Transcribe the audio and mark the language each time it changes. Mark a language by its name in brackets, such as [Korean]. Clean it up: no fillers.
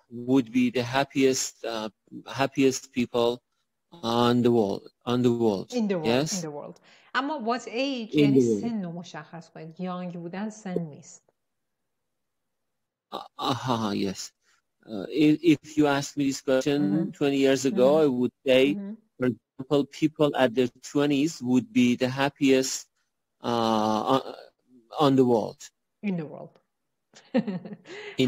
[English] Would be the happiest happiest people on the world. On the world. In the world. Yes? In the world. [Persian] اما [English] what age [Persian] یعنی سن رو مشخص کنید. Young بودن سن نیست. [English] Yes. If you asked me this question mm-hmm. 20 years ago, mm-hmm. I would say, mm-hmm. for example, people at their 20s would be the happiest on the world. In the world. In